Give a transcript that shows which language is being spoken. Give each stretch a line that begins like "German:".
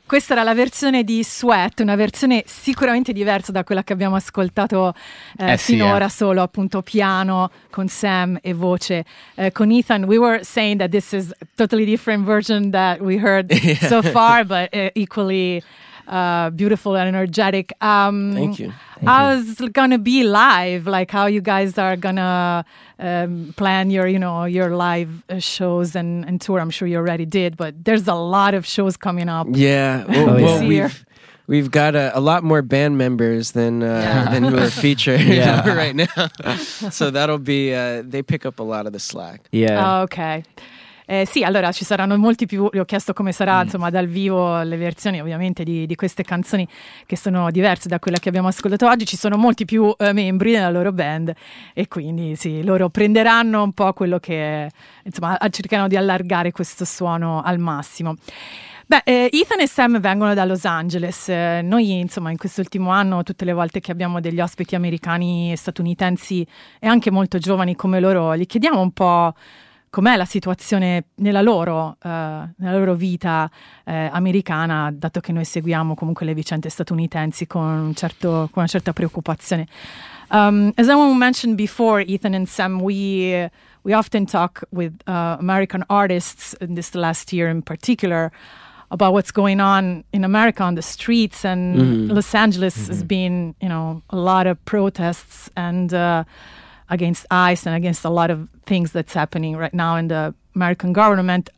Italian: Questa era la versione di Sweat, una versione sicuramente diversa da quella che abbiamo ascoltato finora, solo appunto piano con Sam e voce con Ethan.
English: We were saying that this is a totally different version that we heard so far, but equally beautiful and energetic. Thank you. How's it gonna be live? Like, how you guys are gonna plan your, you know, your live shows and tour? I'm sure you already did, but there's a lot of shows coming up. Yeah, well, we've got a lot more band members than who are featured right now. So that'll be they pick up a lot of the slack. Yeah. Oh, okay.
Italian: Sì, allora ci saranno molti più, vi ho chiesto come sarà insomma dal vivo le versioni ovviamente di queste canzoni che sono diverse da quella che abbiamo ascoltato oggi, ci sono molti più membri nella loro band e quindi sì, loro prenderanno un po' quello che, insomma, cercheranno di allargare questo suono al massimo. Beh, Ethan e Sam vengono da Los Angeles. Noi, insomma, in quest'ultimo anno, tutte le volte che abbiamo degli ospiti americani, statunitensi e anche molto giovani come loro, gli chiediamo un po' com'è la situazione nella loro vita americana, dato che noi seguiamo comunque le vicende statunitensi con una certa preoccupazione.
English: As someone mentioned before, Ethan and Sam, we often talk with American artists in this last year in particular about what's going on in America on the streets, and Los Angeles has been, you know, a lot of protests and against ICE and against a lot of things that's happening right now in the American government.